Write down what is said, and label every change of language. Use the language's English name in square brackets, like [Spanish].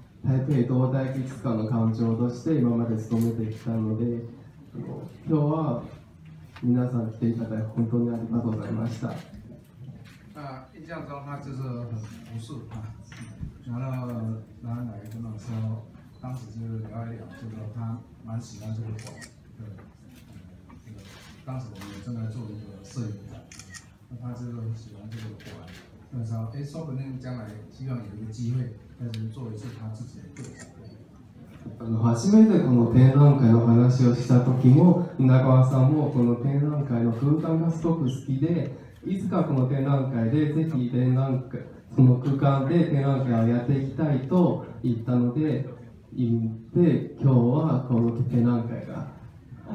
[Japanese] 台北動態美術館の館長として今まで勤めてきたので、今日は皆さん来ていただいて本当にありがとうございました。 [Chinese] 啊，印象中他就是很朴素啊，然后来跟我说，当时就是聊一聊，就说他蛮喜欢这个馆的，这个当时我们正在做一个摄影展，那他就喜欢这个馆，那时候说不定将来希望有一个机会。 [Japanese] 初めてこの展覧会の話をした時も皆川さんもこの展覧会の空間がすごく好きで、いつかこの展覧会でぜひ展覧会その空間で展覧会をやっていきたいと言ったので、今日はこの展覧会が始まる。